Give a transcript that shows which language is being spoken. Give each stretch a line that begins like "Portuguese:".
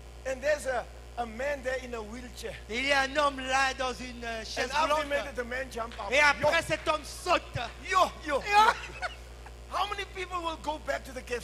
English: And there's a man there in a wheelchair.
French: Il y a un homme là dans une chaise roulante.
English: And
French: et après yo. Cet homme saute. Yo yo.
English: How many people will go back to the Catholic?